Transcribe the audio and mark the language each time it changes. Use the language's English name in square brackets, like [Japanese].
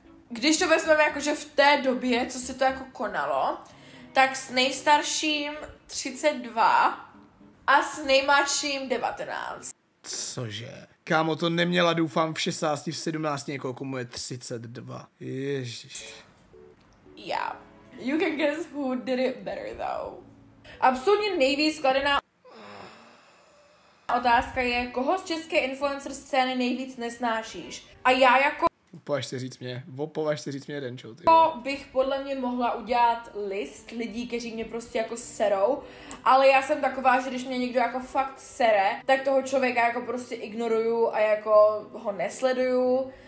[Czech] Když to vezmeme jakože v té době, co se to jako konalo, tak s nejstarším 32 a s nejmladším 19. Cože? Kámo, to neměla doufám v 16, v 17 někoho, komu je 32. Ježiš. [English] Yeah. You can guess who did it better though. [Czech] Absolutně nejvíc skladená otázka je, koho z české influencer scény nejvíc nesnášíš? A já jako... Považ si říct mě jeden čo, ty. To bych podle mě mohla udělat list lidí, kteří mě prostě jako serou, ale já jsem taková, že když mě někdo jako fakt sere, tak toho člověka jako prostě ignoruju a jako ho nesleduju.